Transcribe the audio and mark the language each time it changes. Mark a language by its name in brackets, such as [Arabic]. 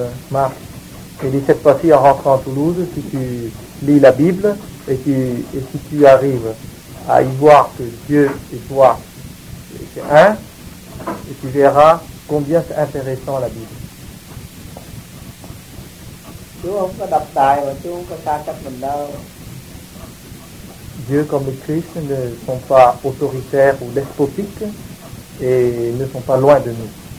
[French] Marc, il dit cette fois-ci en rentrant à Toulouse, si tu lis la Bible et si tu arrives à y voir que Dieu et toi c'est un, et tu verras combien c'est intéressant la Bible. [Vietnamese] Chú không có đọc tài mà chú không có xa cách mình đâu. [French] Dieu comme le Christ ne sont pas autoritaires ou despotiques et ne sont pas loin de nous.